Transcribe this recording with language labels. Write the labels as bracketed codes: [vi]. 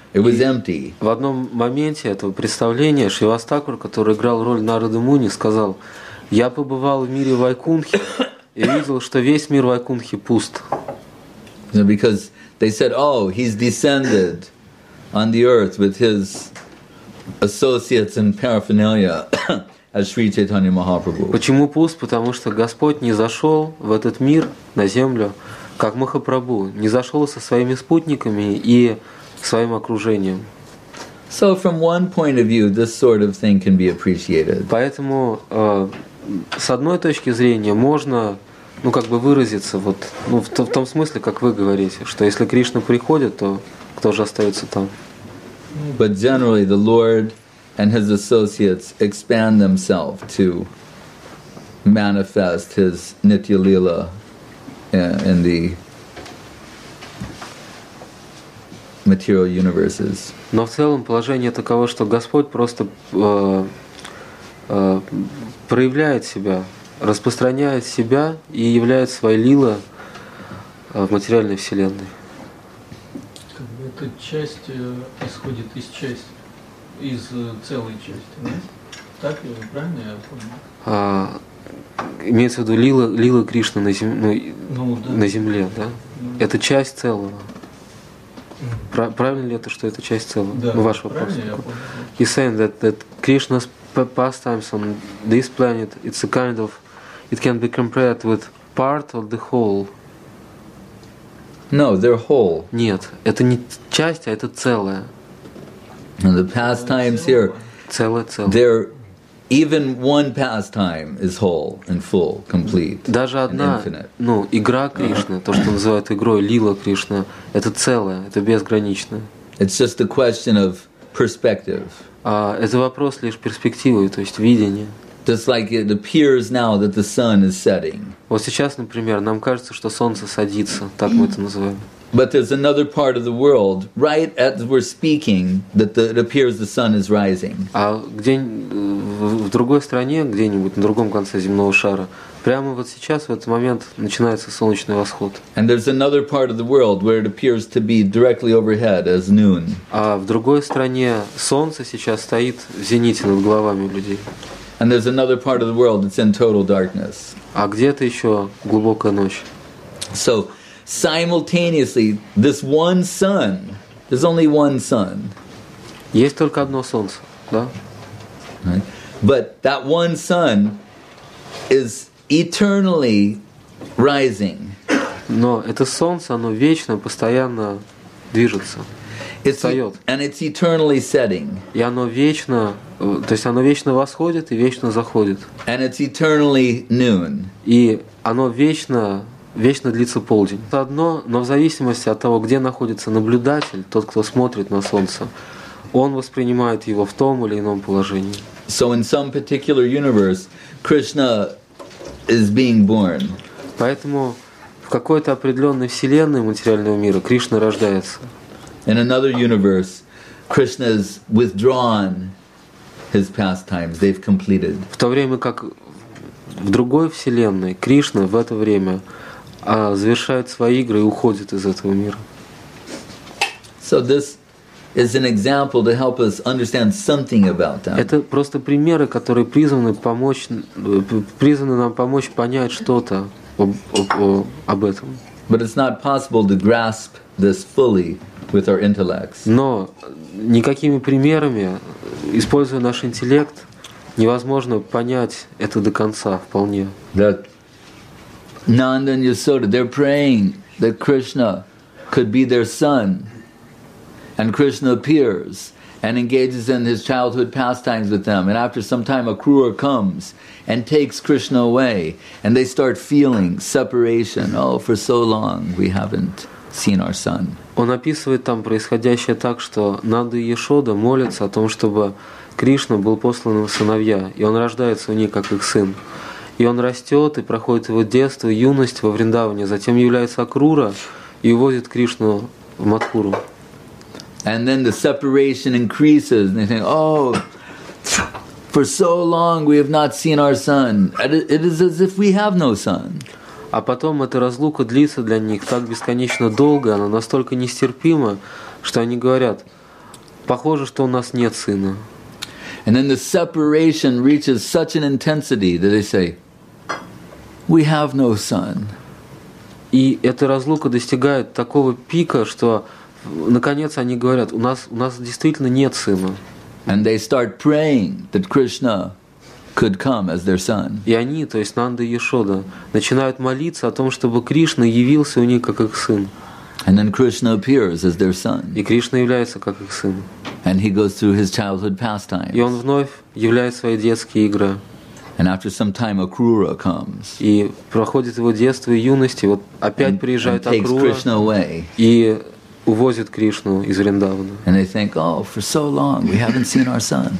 [en] It was empty. [ru] В одном моменте этого представления Шривас Такур, который играл роль Нарада Муни, сказал: "Я побывал в мире Вайкунхи и видел, что весь мир Вайкунхи пуст." [en] Because they said, "Oh, he's descended on the earth with his associates and paraphernalia." As Sri Chaitanya Mahaprabhu. [ru] Почему пуст? Потому что Господь не зашел в этот мир на землю, как Махапрабху, не зашел со своими спутниками и своим окружением. [en] So from one point of view, this sort of thing can be appreciated. [ru] Поэтому с одной точки зрения можно, ну как бы выразиться вот, ну в том смысле, как вы говорите, что если Кришна приходит, то кто же остается там? [en] But generally, the Lord and his associates expand themselves to manifest his Nitya Lila in the material universes. [ru] Но в целом положение таково, что Господь просто проявляет себя, распространяет себя и являет свои лила в материальной вселенной. Как бы эта часть исходит из части. Из целой части, да? Так правильно я понял? Имеется в виду лила Кришны на земле, на земле, да? Ну, это часть целого. Правильно ли это, что это часть целого? Да, ваш вопрос. Правильно я понял. [en] He's saying that Krishna's pastimes on this planet, it's a kind of, it can be compared with part of the whole. No, they're whole. [ru] Нет, это не часть, а это целое. [en] And the pastimes here, they're even one pastime is whole and full, complete. [ru] Даже одна, [en] and infinite. [ru] Ну, игра Кришны, то, что называют игрой, лила Кришна, это целое, это безграничное. [en] It's just a question of perspective. [ru] Это вопрос лишь перспективы, то есть видения. [en] Just like it appears now that the sun is setting. [ru] Вот сейчас, например, нам кажется, что солнце садится, так мы это называем. [en] But there's another part of the world, right as we're speaking, that it appears the sun is rising. [ru] А где в другой стране, где-нибудь на другом конце земного шара, прямо вот сейчас, в этот момент, начинается солнечный восход. [en] And there's another part of the world where it appears to be directly overhead as noon. [ru] А в другой стране солнце сейчас стоит в зените над головами людей. [en] And there's another part of the world that's in total darkness. [ru] А где-то еще глубокая ночь. [en] So, simultaneously, this one sun, there's only one sun. [ru] Есть только одно солнце, да? [en] But that one sun is eternally rising. [ru] Но это солнце, оно вечно, постоянно движется. [en] And it's eternally setting. [ru] И оно вечно, то есть оно вечно восходит и вечно заходит. [en] And it's eternally noon. [ru] И оно вечно, вечно длится полдень. Это одно, но в зависимости от того, где находится наблюдатель, тот, кто смотрит на солнце, он воспринимает его в том или ином положении. [en] So in some particular universe, Krishna is being born. [ru] Поэтому в какой-то определенной вселенной материального мира Кришна рождается. [en] In another universe, Krishna has withdrawn his pastimes. They've completed. [ru] В то время как в другой вселенной Кришна в это время завершает свои игры и уходит из этого мира. [en] So this is an example to help us understand something about them. [ru] Это просто примеры, которые призваны нам помочь понять что-то об этом. [en] But it's not possible to grasp this fully. With our intellects. [ru] Но никакими примерами, используя наш интеллект, невозможно понять это до конца вполне. [en] That Nanda and Yasoda, they're praying that Krishna could be their son, and Krishna appears and engages in his childhood pastimes with them, and after some time, a Akrura comes and takes Krishna away, and they start feeling separation. Oh, for so long we haven't seen our son. [ru] Он описывает там происходящее так, что Нанда и Яшода молятся о том, чтобы Кришна был послан им сыновья, и он рождается у них как их сын. И он растет, и проходит его детство, юность во Вриндаване, затем является Акрура и увозит Кришну в Матхуру. [en] And then the separation increases, and they think, oh, for so long we have not seen our son. It is as if we have no son. [ru] А потом эта разлука длится для них так бесконечно долго, она настолько нестерпима, что они говорят, похоже, что у нас нет сына. [en] And then the separation reaches such an intensity that they say, we have no son. [ru] И эта разлука достигает такого пика, что наконец они говорят, у нас действительно нет сына. [en] And they start praying that Krishna could come as their son. [ru] И они, то есть Нанда и Яшода, начинают молиться о том, чтобы Кришна явился у них как их сын. [en] And then Krishna appears as their son. [ru] И Кришна является как их сын. [en] And he goes through his childhood pastimes. [ru] И он вновь являет свои детские игры. [en] And after some time Akrura comes. [ru] И проходит его детство и юность, и вот опять приезжает Акрура. [en] And takes Krishna away. [ru] И увозит Кришну из Вриндавана. [en] And they think, oh, for so long we haven't seen our son.